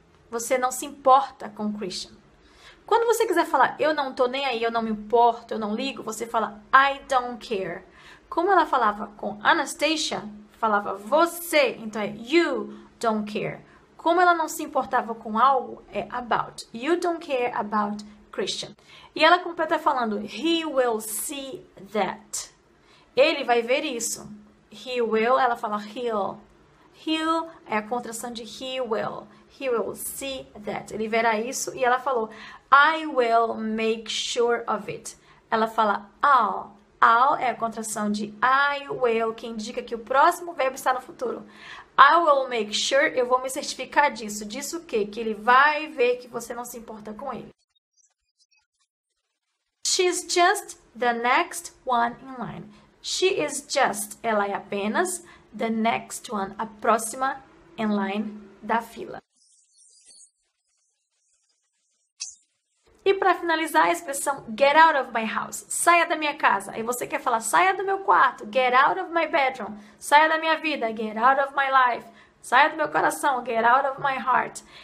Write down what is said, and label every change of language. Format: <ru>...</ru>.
<pt>Você não se importa com Christian. Quando você quiser falar eu não tô nem aí, eu não me importo, eu não ligo, você fala</pt> <en>I don't care.</en> <pt>Como ela falava com Anastasia, falava você, então é</pt> <en>you don't care.</en> <pt>Como ela não se importava com algo, é about.</pt> <en>You don't care about Christian.</en> <pt>E ela completa falando</pt> <en>he will see that.</en> <pt>Ele vai ver isso.</pt> <en>He will,</en> <pt>ela fala</pt> <en>he'll. He'll</en> <pt>é a contração de</pt> <en>he will. He will see that.</en> <pt>Ele verá isso e ela falou,</pt> <en>I will make sure of it.</en> <pt>Ela fala,</pt> <en>I'll.</en> <pt>I'll é a contração de</pt> <en>I will,</en> <pt>que indica que o próximo verbo está no futuro.</pt> <en>I will make sure,</en> <pt>eu vou me certificar disso. Disso o quê? Que ele vai ver que você não se importa com ele.</pt> <en>She's just the next one in line. She is just,</en> <pt>ela é apenas,</pt> <en>the next one,</en> <pt>a próxima</pt> <en>in line</en> <pt>da fila. E para finalizar, a expressão</pt> <en>get out of my house,</en> <pt>saia da minha casa. E você quer falar saia do meu quarto,</pt> <en>get out of my bedroom,</en> <pt>saia da minha vida,</pt> <en>get out of my life,</en> <pt>saia do meu coração,</pt> <en>get out of my heart.</en>